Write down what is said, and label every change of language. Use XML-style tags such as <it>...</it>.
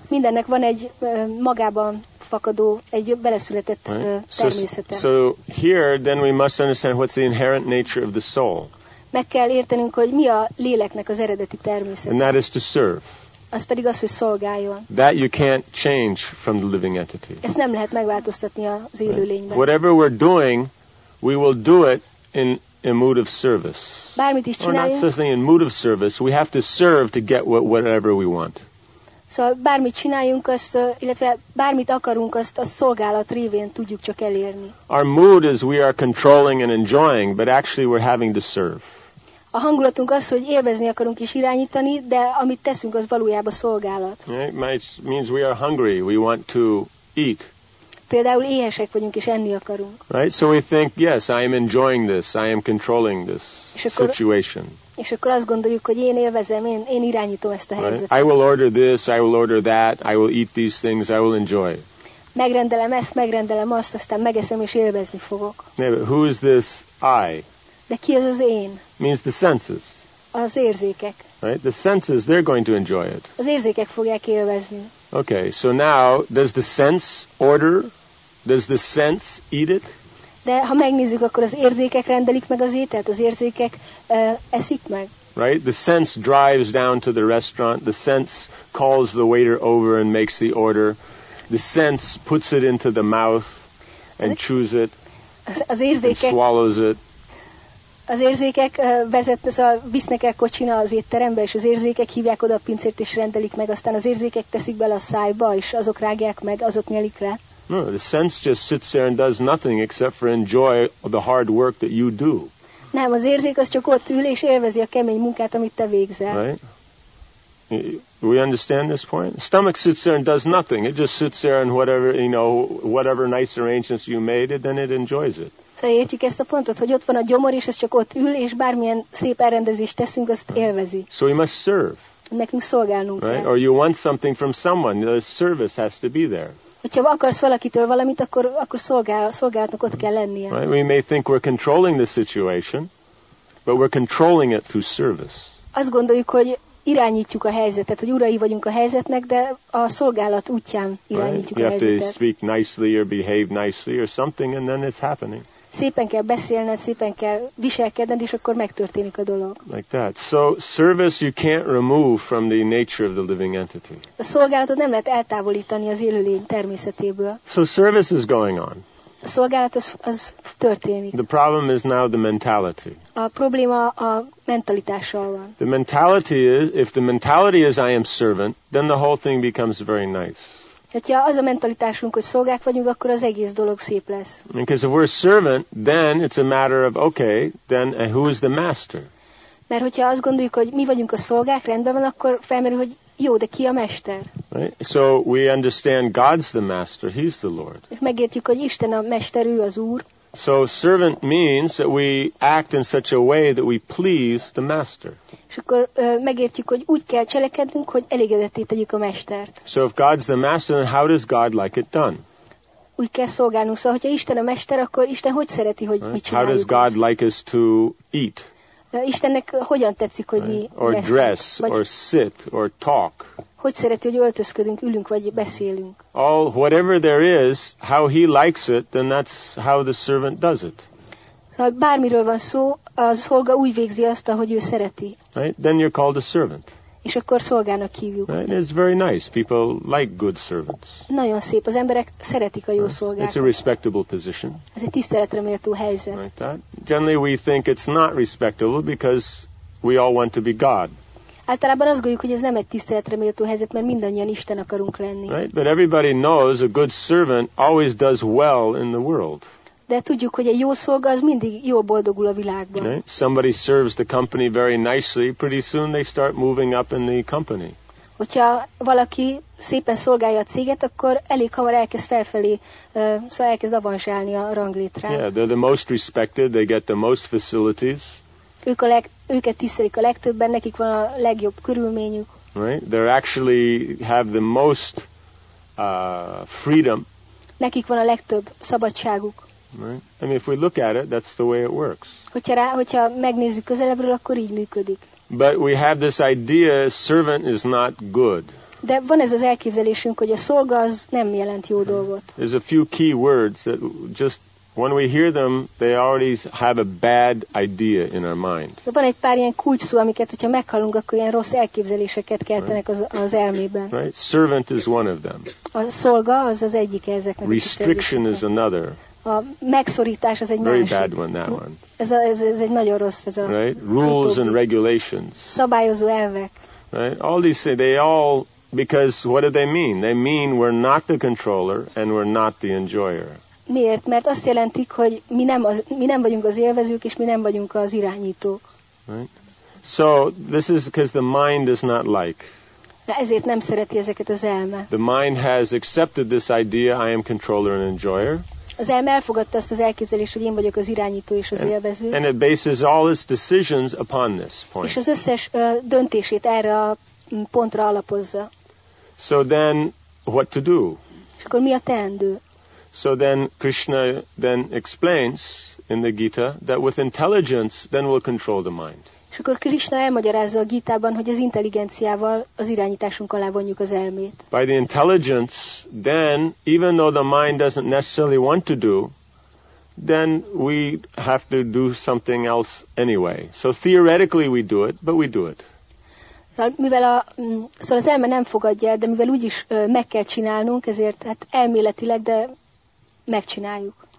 <hu>Mindennek van egy magában fakadó, egy beleszületett természete.</hu> <en>So here then we must understand what's the inherent nature of the soul.</en> <hu>Meg kell értenünk, hogy mi a léleknek az eredeti természete.</hu> <en>And that is to serve.</en> <hu>Az pedig az, hogy szolgáljon.</hu> <en>That you can't change from the living entity.</en> <hu>Ezt nem lehet megváltoztatni az élő lényben.</hu> <en>Whatever we're doing, we will do it in a mood of service.</en> <hu>Bármit is csináljunk.</hu> <en>Or not something in mood of service. We have to serve to get whatever we want.</en> <hu>Szóval bármit csináljunk, azt, illetve bármit akarunk, azt a szolgálat révén tudjuk csak elérni.</hu> <en>Our mood is we are controlling and enjoying, but actually we're having to serve.</en> <hu>A hangulatunk az, hogy élvezni akarunk és irányítani, de amit teszünk, az valójában szolgálat.</hu> <en>It means we are hungry, we want to eat.</en> <hu>Például éhesek vagyunk és enni akarunk.</hu> <en>Right, so we think, yes, I am enjoying this, I am controlling this situation.</en> <hu>És akkor azt gondoljuk, hogy én élvezem, én irányítom ezt a helyzetet.</hu> <en>Right? I will order this, I will order that, I will eat these things, I will enjoy.</en> <hu>Megrendelem ezt, megrendelem azt, aztán megeszem és élvezni fogok.</hu> <en>Yeah, but who is this I?</en> <hu>De ki az az én?</hu> <en>Means the senses.</en> <hu>Az érzékek.</hu> <en>Right, the senses, they're going to enjoy it.</en> <hu>Az érzékek fogják élvezni.</hu> <en>Okay, so now, does the sense order? Does the sense eat it?</en> <hu>De ha megnézzük, akkor az érzékek rendelik meg az ételt, az érzékek eszik meg.</hu> <en>Right? The sense drives down to the restaurant, the sense calls the waiter over and makes the order, the sense puts it into the mouth and chews it,</en> <hu>az érzékek,</hu> <en>and swallows it.</en> <hu>Az érzékek visznek el kocsina az étterembe, és az érzékek hívják oda a pincért és rendelik meg, aztán az érzékek teszik bele a szájba, és azok rágják meg, azok nyelik le.</hu> <en>No, the sense just sits there and does nothing except for enjoy the hard work that you do.</en> <hu>Nem, az érzék az csak ott ül és élvezi a kemény munkát, amit te végzel.</hu> <en>Right? We understand this point? Stomach sits there and does nothing. It just sits there and whatever, you know, whatever nice arrangements you made, then it enjoys it.</en> <hu>Szóval értjük ezt a pontot, hogy ott van a gyomor, és ez csak ott ül, és bármilyen szép elrendezést teszünk, azt élvezi.</hu> <en>So we must serve.</en> <hu>Nekünk szolgálnunk kell.</hu> <en>Right? Or you want something from someone, the service has to be there.</en> <hu>Hogyha akarsz valakitől valamit, akkor szolgálatnak ott kell lennie.</hu> <en>Right? We may think we're controlling the situation, but we're controlling it through service.</en> <hu>Azt gondoljuk, hogy irányítjuk a helyzetet, hogy urai vagyunk a helyzetnek, de a szolgálat útján irányítjuk</hu> <en>right?</en> <hu>a helyzetet.</hu> <en>You have to speak nicely or behave nicely or something, and then it's happening.</en> <hu>Szépen kell beszélned, szépen kell viselkedned, és akkor megtörténik a dolog.</hu> <en>Like that. So service you can't remove from the nature of the living entity.</en> <hu>A szolgálatot nem lehet eltávolítani az élőlény természetéből.</hu> <en>So service is going on.</en> <hu>A szolgálat az történik.</hu> <en>The problem is now the mentality.</en> <hu>A probléma a mentalitással van.</hu> <en>The mentality is, if the mentality is I am servant, then the whole thing becomes very nice.</en> <hu>Hogyha az a mentalitásunk, hogy szolgák vagyunk, akkor az egész dolog szép lesz.</hu> <en>Because if we're a servant, then it's a matter of, okay, then who is the master?</en> <hu>Mert hogyha azt gondoljuk, hogy mi vagyunk a szolgák, rendben van, akkor felmerül, hogy jó, de ki a mester?</hu> <en>Right? So we understand God's the master, he's the Lord.</en> <hu>Megértjük, hogy Isten a mester, ő az Úr.</hu> <en>So servant means that we act in such a way that we please the master.</en> <hu>És akkor megértjük, hogy úgy kell cselekednünk, hogy elégedetté tegyük a mestert.</hu> <en>So if God's the master, then how does God like it done?</en> <hu>Úgy kell szolgálnunk, szóval, hogyha Isten a mester, akkor Isten hogy szereti, hogy mit csináljuk?</hu> <en>How does God like us to eat?</en> <hu>Istennek hogyan tetszik, hogy</hu> <en>right.</en> <hu>mi</hu> <en>or</en> <hu>veszünk,</hu> <en>dress,</en> <hu>vagy</hu> <en>or sit, or talk.</en> <hu>Hogy szereti, hogy öltözködünk, ülünk, vagy beszélünk.</hu> <en>All, whatever there is, how he likes it, then that's how the servant does it.</en> <hu>Szóval bármiről van szó, az szolga úgy végzi azt, ahogy ő szereti.</hu> <en>Right? Then you're called a servant.</en> <hu>És akkor szolgának hívjuk.</hu> <en>Right? It's very nice. People like good servants.</en> <hu>Nagyon szép. Az emberek szeretik a jó</hu> <en>right?</en> <hu>szolgákat.</hu> <en>It's a respectable position.</en> <hu>Ez egy tiszteletre méltó helyzet.</hu> <en>Like that. Generally we think it's not respectable because we all want to be God.</en> <hu>Általában azt gondoljuk, hogy ez nem egy tiszteletre méltó helyzet, mert mindannyian Isten akarunk lenni.</hu> <en>Right? But everybody knows a good servant always does well in the world.</en> <hu>De tudjuk, hogy egy jó szolga az mindig jól boldogul a világban.</hu> <en>Right? Somebody serves the company very nicely, pretty soon they start moving up in the company.</en> <hu>Hogyha valaki szépen szolgálja a céget, akkor elég hamar elkezd felfelé, szóval elkezd avanzsálni a ranglétrán.</hu> <en>Yeah, they're the most respected, they get the most facilities.</en> <hu>Őket tisztelik a legtöbben, nekik van a legjobb körülményük.</hu> <en>Right? They actually have the most freedom.</en> <hu>Nekik van a legtöbb szabadságuk.</hu> <en>Right? I mean, if we look at it, that's the way it works.</en> <hu>Hogyha megnézzük közelebbről, akkor így működik.</hu> <en>But we have this idea, servant is not good.</en> <hu>De van ez az elképzelésünk, hogy a szolga az nem jelent jó dolgot.</hu> <en>There's a few key words that just, when we hear them, they already have a bad idea in our mind.</en> <hu>De van egy pár ilyen kulcsszó, amiket, hogyha meghallunk, akkor ilyen rossz elképzeléseket keltenek az elmében.</hu> <en>Right? Servant is one of them.</en> <hu>A szolga az egyik ezeknek.</hu> <en>Restriction is another.</en> <hu>a megszorítás az egy</hu> <en>very</en> <hu>másik.</hu> <en>Bad one, that one.</en> <hu>Ez egy nagyon rossz ez a.</hu> <en>Right? Rules and regulations.</en> <hu>Szabályozó elvek.</hu> <en>Right? All these things, they all, because what do they mean? They mean we're not the controller and we're not the enjoyer.</en> <hu>Miért? Mert azt jelentik, hogy mi nem vagyunk az élvezők és mi nem vagyunk az irányítók.</hu> <en>Right? So this is because the mind is not like.</en> <hu>Ezért nem szereti ezeket az elme.</hu> <en>The mind has accepted this idea, I am controller and enjoyer.</en> <hu>Az elme elfogadta azt az elképzelést, hogy én vagyok az irányító és az élvező.</hu> <en>And it bases all its decisions upon this point.</en> <hu>És az összes döntését erre a pontra alapozza.</hu> <en>So then, what to do?</en> <hu>És akkor mi a teendő?</hu> <en>So then, Krishna then explains in the Gita that with intelligence, then we'll control the mind.</en> <hu>És akkor Krishna elmagyarázza a Gítában, hogy az intelligenciával az irányításunk alá vonjuk az elmét.</hu> <en>By the intelligence, then, even though the mind doesn't necessarily want to do, then we have to do something else anyway. So theoretically we do it, but we do it.</en> <hu>Mivel szóval az elme nem fogadja, de mivel úgyis meg kell csinálnunk, ezért hát elméletileg, de megcsináljuk.</hu>